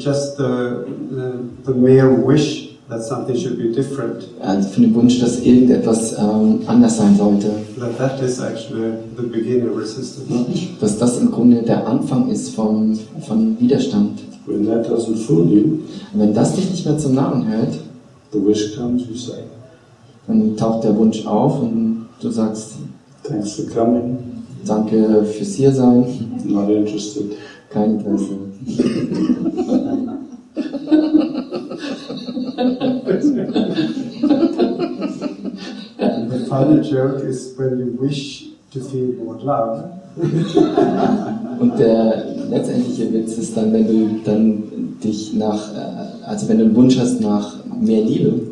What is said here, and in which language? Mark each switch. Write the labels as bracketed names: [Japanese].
[English] the mere wish that something should be different. [German] Also von dem Wunsch, dass irgendetwas anders sein sollte. [English] That is actually the beginning of resistance. [German] Dass das im Grunde der Anfang ist von Widerstand. [English] When that doesn't fool you, [German] wenn das dich nicht mehr zum Narren hält, [English] the wish comes, you say. [German] Dann taucht der Wunsch auf und du sagst, [English] thanks for coming. [German] Danke fürs hier sein. [English] Not interested. [German] Kein Interesse. [English] And the final joke is when you wish to feel more love. [German] Und der letztendliche Witz ist dann, wenn du dann dich nach, also wenn du einen Wunsch hast nach mehr Liebe.